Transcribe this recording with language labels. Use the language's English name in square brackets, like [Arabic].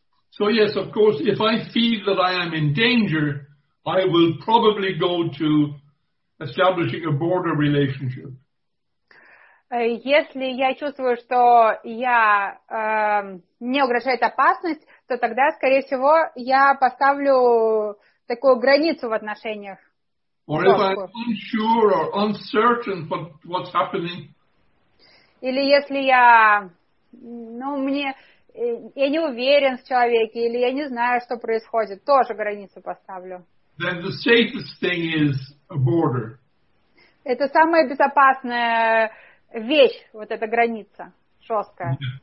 [English] So yes, of course, if I feel that I am in danger, I will probably go to establishing a border relationship. [Russian] Если я чувствую, что я мне угрожает опасность, то тогда, скорее всего, я поставлю такую границу в отношениях. [English] Or if I'm unsure or uncertain what's happening. [Russian] Или если я, ну, мне... Я не уверен в человеке, или я не знаю, что происходит. Тоже границу поставлю. [English] Then the safest thing is a border. [Russian] Это самая безопасная вещь, вот эта граница, жесткая.